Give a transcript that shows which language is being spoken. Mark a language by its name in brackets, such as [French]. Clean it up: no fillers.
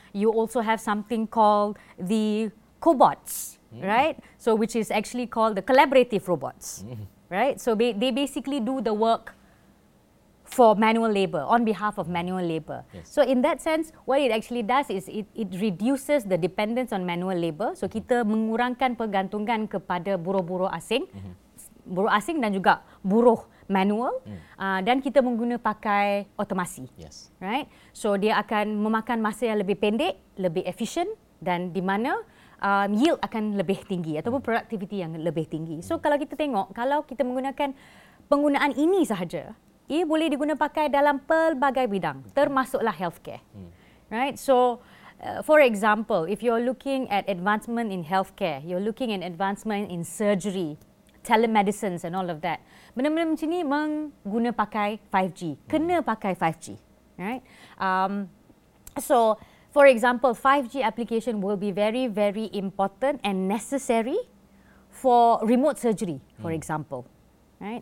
[English] You also have something called the cobots, right? So which is actually called the collaborative robots, right? So they basically do the work for manual labor, on behalf of manual labor. Yes. So in that sense, what it actually does is it reduces the dependence on manual labor. [Malay] So kita mengurangkan pergantungan kepada buruh-buruh asing, buruh asing dan juga buruh manual, dan kita menggunakan otomasi. [English] Yes. Right? [Malay] So dia akan memakan masa yang lebih pendek, lebih efisien dan di mana yield akan lebih tinggi ataupun productivity yang lebih tinggi. So kalau kita tengok, kalau kita menggunakan penggunaan ini sahaja, ia boleh digunakan dalam pelbagai bidang, termasuklah healthcare. [English] Right? So for example, if you're looking at advancement in healthcare, you're looking at advancement in surgery, telemedicines and all of that. [Malay] Benda-benda macam ni menggunakan 5G. Kena pakai 5G. [English] Right? So, for example, 5G application will be very, very important and necessary for remote surgery, for example. Right?